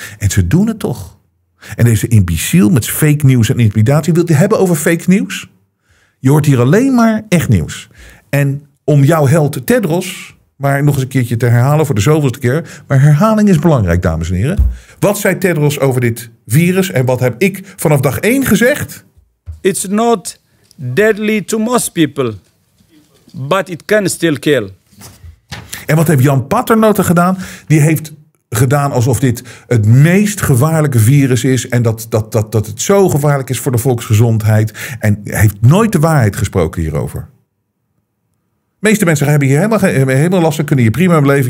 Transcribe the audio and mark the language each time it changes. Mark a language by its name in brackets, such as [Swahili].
[Dutch] En ze doen het toch. En deze imbeciel met fake nieuws en intimidatie, wil je hebben over fake nieuws? Je hoort hier alleen maar echt nieuws. En om jouw held Tedros maar nog eens een keertje te herhalen voor de zoveelste keer. Maar herhaling is belangrijk, dames en heren. Wat zei Tedros over dit virus en wat heb ik vanaf dag 1 gezegd? [English] It's not deadly to most people, but it can still kill. [Dutch] En wat heeft Jan Paternotte gedaan? Die heeft gedaan alsof dit het meest gevaarlijke virus is en dat het zo gevaarlijk is voor de volksgezondheid. En heeft nooit de waarheid gesproken hierover. De meeste mensen hebben hier helemaal last van, kunnen hier prima leven.